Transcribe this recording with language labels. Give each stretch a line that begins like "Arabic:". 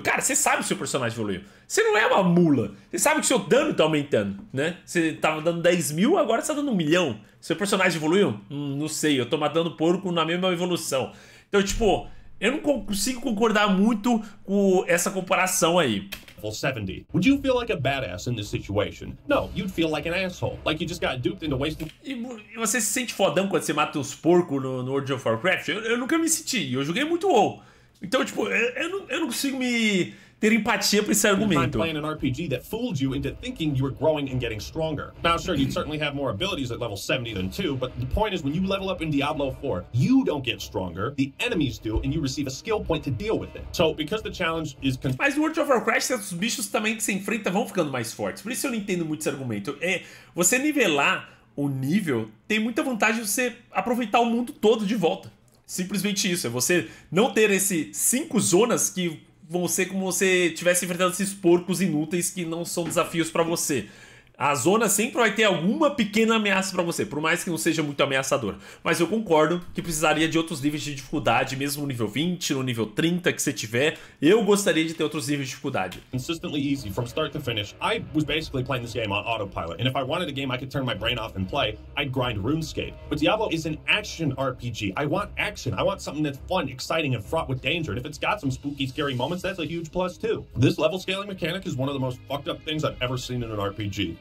Portuguese: Cara, você sabe que o seu personagem evoluiu. Você não é uma mula. Você sabe que o seu dano tá aumentando, né? Você tava dando 10 mil, agora você tá dando 1 milhão. Seu personagem evoluiu? Não sei, eu tô matando porco na mesma evolução. Então, tipo, eu não consigo concordar muito com essa comparação aí. 70.
English: Would you feel like a badass in this situation? No, you'd feel like an asshole. Like you just got duped into wasting.
Portuguese: E você se sente fodão quando você mata uns porcos no World of Warcraft? Eu nunca me senti. Eu joguei muito WoW. Então, tipo, eu não consigo me ter empatia por esse argumento.
English: Playing an RPG that fooled you into thinking you were growing and getting stronger. Now, sure, you'd certainly have more abilities at level 70 than 2, but the point is when you level up in Diablo 4, you don't get stronger, the enemies do, and you receive a skill point to deal with it. So, because the challenge is...
Portuguese: Mas no World of Warcraft, os bichos também que você enfrenta vão ficando mais fortes. Por isso eu não entendo muito esse argumento. É, você nivelar o nível tem muita vantagem de você aproveitar o mundo todo de volta. Simplesmente isso. É você não ter esse 5 zonas que vão ser como se você estivesse enfrentando esses porcos inúteis que não são desafios pra você. A zona sempre vai ter alguma pequena ameaça pra você, por mais que não seja muito ameaçador. Mas eu concordo que precisaria de outros níveis de dificuldade, mesmo no nível 20, no nível 30 que você tiver. Eu gostaria de ter outros níveis de dificuldade.
English: Consistently easy, from start to finish. I was basically playing this game on autopilot, and if I wanted a game I could turn my brain off and play, I'd grind RuneScape. But Diablo is an action RPG. I want action. I want something that's fun, exciting, and fraught with danger. And if it's got some spooky, scary moments, that's a huge plus too. This level scaling mechanic is one of the most fucked up things I've ever seen in an RPG.